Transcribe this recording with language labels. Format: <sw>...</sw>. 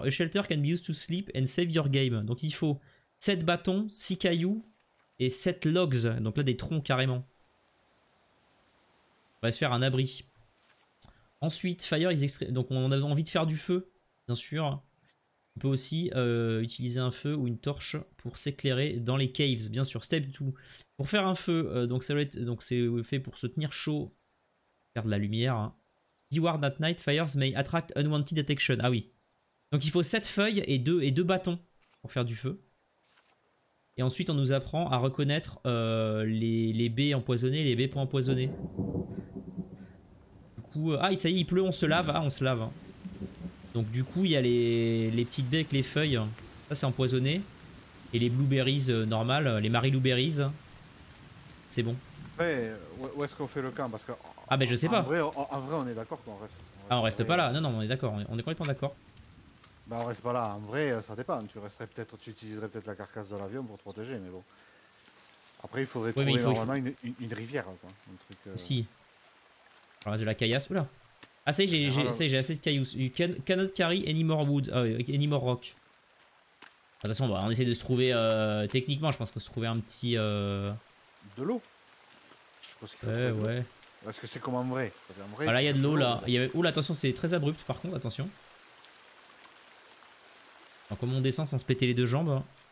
<en>A shelter can be used to sleep and save your game.</en> <fr>Donc, il faut 7 bâtons, 6 cailloux et 7 logs. Donc là, des troncs, carrément. On va se faire un abri. Ensuite,</fr> <en>fire is extra...</en> <fr>Donc on a envie de faire du feu, bien sûr. On peut aussi utiliser un feu ou une torche pour s'éclairer dans les caves, bien sûr. Step 2. Pour faire un feu, donc ça doit être... donc c'est fait pour se tenir chaud. Faire de la lumière. Hein.</fr> <en>Be warned at night, fires may attract unwanted attention.</en> <fr>Ah oui. Donc il faut 7 feuilles et 2 bâtons pour faire du feu. Et ensuite on nous apprend à reconnaître les baies empoisonnées, les baies pas empoisonnées. Ah ça y est, il pleut, on se lave. Donc du coup il y a les petites baies avec les feuilles, ça c'est empoisonné. Et les blueberries normales, les Marie blueberries, c'est bon. Ouais, où est-ce qu'on fait le camp? Parce que ah ben je sais pas. En vrai on est d'accord qu'on reste. On reste pas là. Non, on est d'accord, on est complètement d'accord. Bah on reste pas là. En vrai ça dépend. Tu utiliserais peut-être la carcasse de l'avion pour te protéger, mais bon. Après il faudrait trouver une rivière quoi. Un truc, Si. Alors, de la caillasse, oula. Ah, ça y est, j'ai assez de cailloux.</fr> <en>You cannot carry any more wood, any more rock.</en> <fr>De toute façon, bah, on essaie de se trouver. Techniquement, je pense qu'il faut se trouver un petit. De l'eau. Je pense qu'il faut ouais. Parce que c'est comme en vrai. Voilà, il y a de l'eau là. Oula, attention, c'est très abrupt par contre, attention. Alors, comment on descend sans se péter les deux jambes?</fr>